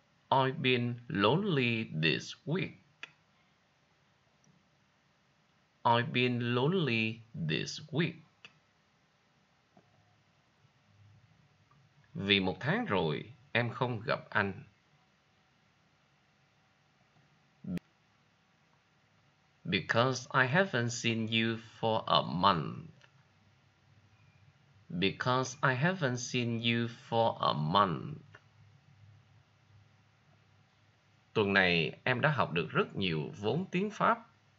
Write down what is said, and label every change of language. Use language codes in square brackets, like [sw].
[en] I've been lonely this week. I've been lonely this week. [vi] Vì một tháng rồi, em không gặp anh. [en] Because I haven't seen you for a month. Because I haven't seen you for a month. [vi] Tuần này, em đã học được rất nhiều vốn tiếng Pháp.